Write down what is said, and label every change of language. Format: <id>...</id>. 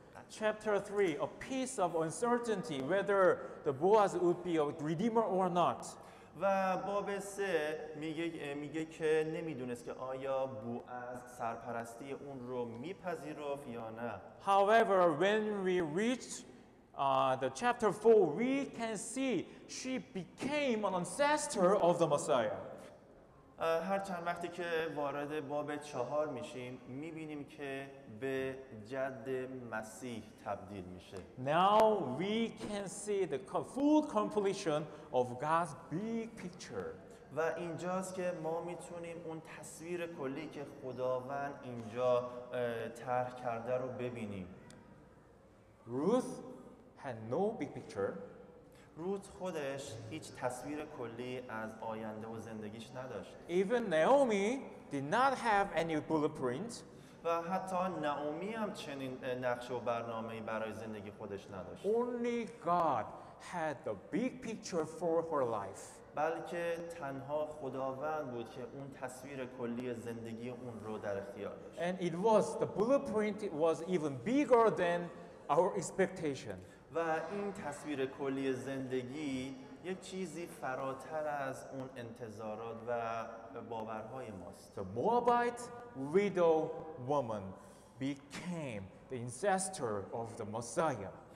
<en>Chapter 3, a piece of uncertainty whether the Boaz would be a redeemer or not.</en> <fa>و باب 3 میگه که نمیدونست که آیا بوعز سرپرستی اون رو میپذیرفت یا نه.</fa> <en>However, when we reach the chapter 4, we can see she became an ancestor of the Messiah.</en> <fa>هر چند وقتی که وارد باب 4 میشیم میبینیم که به جد مسیح تبدیل میشه.</fa> <en>Now we can see the full completion of God's big picture.</en> <fa>و اینجاست که ما میتونیم اون تصویر کلی که خداوند اینجا طرح کرده رو ببینیم.</fa> <en>Ruth had no big picture.</en> <fa>روت خودش هیچ تصویر کلی از آینده و زندگیش نداشت.</fa> <en>Even Naomi did not have any blueprint.</en> <fa>و حتی نائومی هم چنین نقشه و برنامه‌ای برای زندگی خودش نداشت.</fa> <en>Only God had the big picture for her life.</en> <fa>بلکه تنها خداوند بود که اون تصویر کلی زندگی اون رو در اختیار داشت.</fa> <en>And it was the blueprint was even bigger than our expectation.</en> <fa>و این تصویر کلی زندگی یک چیزی فراتر از اون انتظارات و باورهای ماست.</fa> <en>The Moabite widow woman became the ancestor of the Messiah.</en>